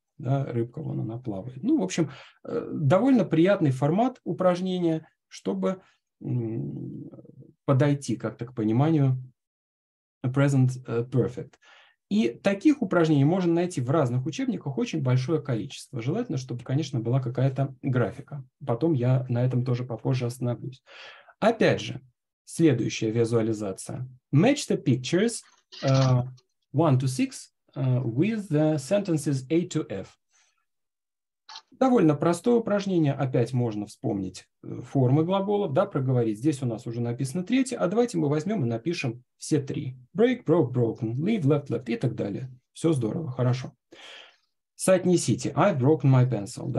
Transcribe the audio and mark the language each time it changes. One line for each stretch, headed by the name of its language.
Russian: Да, рыбка вон она плавает. Ну, в общем, довольно приятный формат упражнения, чтобы подойти как-то к пониманию present perfect. И таких упражнений можно найти в разных учебниках очень большое количество. Желательно, чтобы, конечно, была какая-то графика. Потом я на этом тоже попозже остановлюсь. Опять же, следующая визуализация.
English: Match the pictures 1 to 6 with the sentences A to F.
Russian: Довольно простое упражнение. Опять можно вспомнить формы глаголов, да, проговорить. Здесь у нас уже написано третье, а давайте мы возьмем и напишем все три. Break, broke, broken, leave, left, left и так далее. Все здорово, хорошо. Соотнесите.
English: I've broken my pencil.